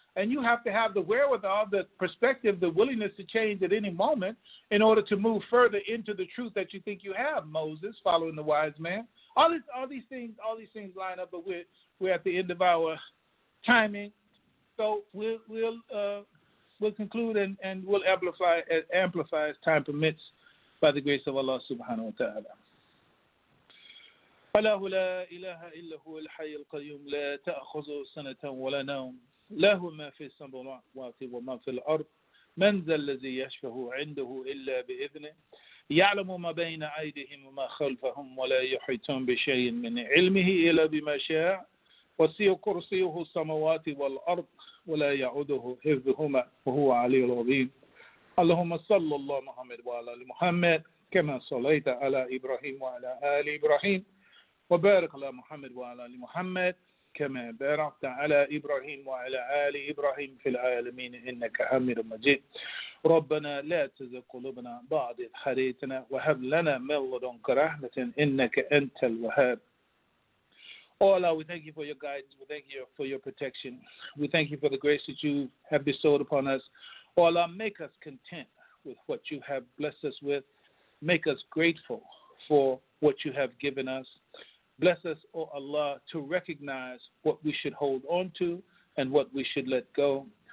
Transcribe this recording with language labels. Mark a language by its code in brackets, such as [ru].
[en] And you have to have the wherewithal, the perspective, the willingness to change at any moment in order to move further into the truth that you think you have, Moses, following the wise man. All these things line up, but we're at the end of our timing. So we'll conclude and we'll amplify as time permits by the grace of Allah subhanahu wa ta'ala. [ar] فله لا إله إلا هو الحي القيوم لا تأخذه سنة ولا نوم له ما في السماوات وما في الأرض من ذا الذي يشفع عنده إلا بإذنه يعلم ما بين أيديهم وما خلفهم ولا يحيطون بشيء من علمه إلا بما شاء وسع كرسيه السماوات والأرض ولا يعوده حفظهما وهو العلي العظيم اللهم صل على محمد وعلى آل محمد كما صليت على إبراهيم وعلى آل إبراهيم وبارك على محمد وعلى آل محمد كما باركت على إبراهيم وعلى آل إبراهيم في العالمين إنك حميد مجيد ربنا لا تزغ قلوبنا بعد إذ هديتنا وهب لنا من لدنك رحمة إنك أنت الوهاب. [en] Oh Allah, we thank you for your guidance. We thank you for your protection. We thank you for the grace that you have bestowed upon us. Oh Allah, make us content with what you have blessed us with. Make us grateful for what you have given us. Bless us, O Allah, to recognize what we should hold on to and what we should let go.